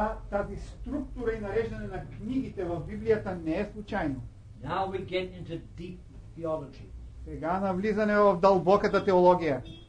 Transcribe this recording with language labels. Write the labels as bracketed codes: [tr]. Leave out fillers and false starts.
[bg] Тази структура и нареждане на книгите в Библията не е случайно. [en] Now we get into deep theology. [bg] Сега навлизане в дълбоката теология.